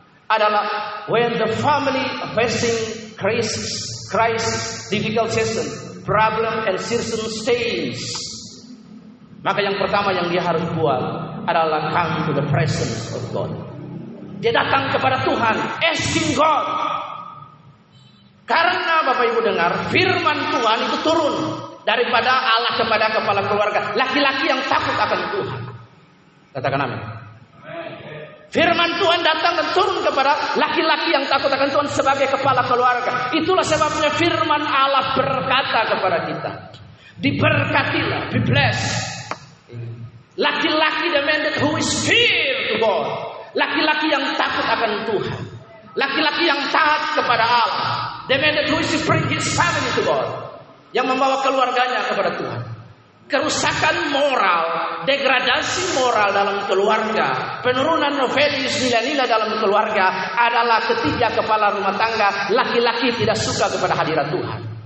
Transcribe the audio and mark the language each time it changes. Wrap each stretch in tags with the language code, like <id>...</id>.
<en>adalah when the family facing crisis, difficult season, problem and season stays.</en> <id>Maka yang pertama yang dia harus buat adalah</id> <en>come to the presence of God.</en> <id>Dia datang kepada Tuhan,</id> <en>asking God.</en> <id>Karena Bapak Ibu dengar, firman Tuhan itu turun daripada Allah kepada kepala keluarga, laki-laki yang takut akan Tuhan. Katakan amin. Firman Tuhan datang dan turun kepada laki-laki yang takut akan Tuhan sebagai kepala keluarga. Itulah sebabnya firman Allah berkata kepada kita, diberkatilah,</id> <en>be blessed. Laki-laki the man that who is fear to God.</en> <id>Laki-laki yang takut akan Tuhan. Laki-laki yang taat kepada Allah.</id> <en>The man that who is bring his family to God.</en> <id>Yang membawa keluarganya kepada Tuhan. Kerusakan moral, degradasi moral dalam keluarga, penurunan values nilai-nilai dalam keluarga adalah ketiga kepala rumah tangga laki-laki tidak suka kepada hadirat Tuhan.</id>